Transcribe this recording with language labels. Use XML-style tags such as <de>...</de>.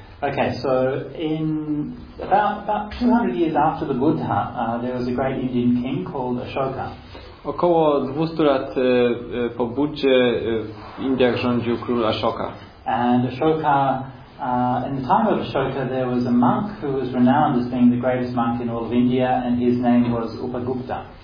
<en>Okay, so in about 200 years after the Buddha, there was a great Indian king called Ashoka.</en> <pl>Około 200 lat po Buddzie w Indiach rządził król Ashoka.</pl> <en>And Ashoka, in the time of Ashoka, there was a monk who was renowned as being the greatest monk in all of India, and his name was Upagupta.</en>